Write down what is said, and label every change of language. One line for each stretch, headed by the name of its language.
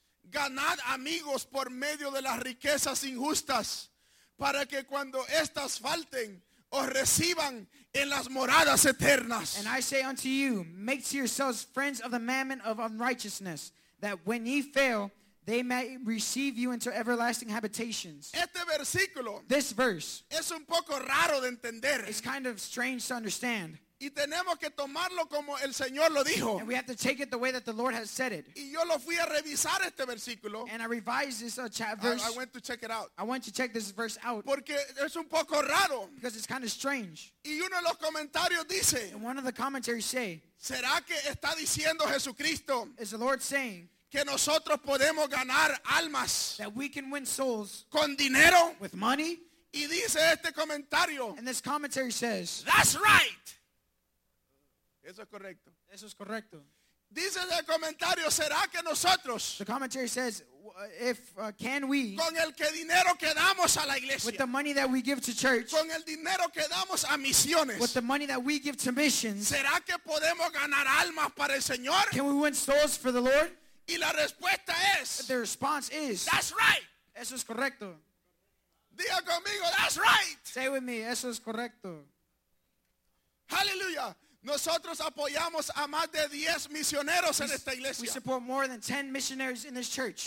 Spanish: Ganad amigos por medio de las riquezas injustas, para que cuando estas falten, os reciban en las moradas eternas.
English: And I say unto you, make to yourselves friends of the mammon of unrighteousness, that when ye fail, they may receive you into everlasting habitations.
Spanish: Este versículo,
English: this verse,
Spanish: es un poco raro de entender.
English: It's kind of strange to understand.
Spanish: Y tenemos que tomarlo como el Señor lo dijo.
English: And we have to take it the way that the Lord has said it.
Spanish: Y yo lo fui a revisar este versículo.
English: And I revised this verse. I went to check it out. I went to check this verse out.
Spanish: Porque es un poco raro.
English: Because it's kind of strange.
Spanish: Y uno de los comentarios dice.
English: And one of the commentaries say.
Spanish: ¿Será que está diciendo Jesucristo?
English: Is the Lord saying.
Spanish: Que nosotros podemos ganar almas.
English: That we can win souls.
Spanish: Con dinero.
English: With money.
Spanish: Y dice este comentario.
English: And this commentary says. That's right.
Spanish: Eso es correcto. Eso es correcto. Dice el comentario, ¿será que nosotros?
English: The commentary says, if can we?
Spanish: Con el que dinero que damos a la iglesia.
English: With the money that we give to church.
Spanish: Con el dinero que damos a misiones.
English: With the money that we give to missions.
Spanish: ¿Será que podemos ganar almas para el Señor?
English: Can we win souls for the Lord?
Spanish: Y la respuesta es.
English: The response is. That's right.
Spanish: Eso es correcto. Diga conmigo,
English: that's right. Say with me,
Spanish: eso es correcto.
English: Hallelujah.
Spanish: Nosotros apoyamos a más de 10 misioneros en esta iglesia.
English: We support more than 10 missionaries in this church.